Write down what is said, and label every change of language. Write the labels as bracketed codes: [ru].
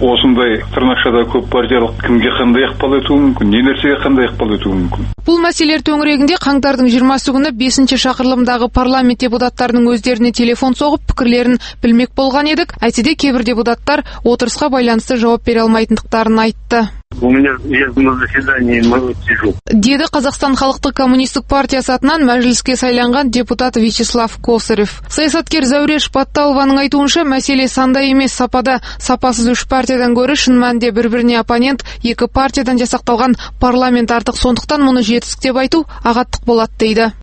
[kk] Осындай тырнақшада көп партиялық кімге қандай ықпал етуі мүмкін? Не нәрсеге қандай ықпал етуі мүмкін? Бұл мәселелер төңірегінде қаңтардың 20-сы күні 5-ші шақырылымдағы парламент депутаттарының өздеріне телефон соғып пікірлерін білмек болған едік. Әйтсе де кейбір депутаттар отырысқа байланысты жауап бере алмайтындықтарын айтты. [ru] У меня на заседании, мы вот сижу. [kk] Деді Қазақстан халықтық коммунистік партиясы атынан мәжіліске сайланған депутат Вячеслав Косарев. Саясаткер Зәуреш Батталованың айтуынша, мәселе санда емес, сапада. Сапасыз үш партиядан гөрі шын мәнінде бір-біріне оппонент, екі партиядан жасақталған парламент артық, сондықтан мұны жетістік деп айту ағаттық болады дейді.